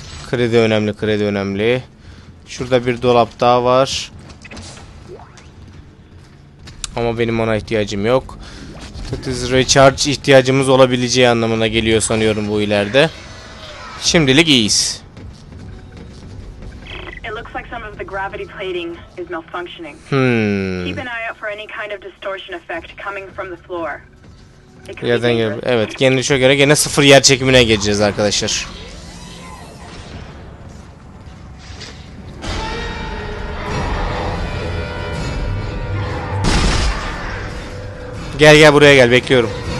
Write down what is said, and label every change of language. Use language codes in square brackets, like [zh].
[tr] Kredi önemli, kredi önemli. Şurada bir dolap daha var. Ama benim ona ihtiyacım yok. Status recharge ihtiyacımız olabileceği anlamına geliyor sanıyorum bu ileride. Şimdilik iyiyiz. [en] Gravity plating is malfunctioning. Hmm. Keep an eye out for any kind of distortion effect coming from the floor. [tr] Ya da evet, genişe göre gene sıfır yer çekimine geçeceğiz arkadaşlar. Gel gel buraya gel, bekliyorum.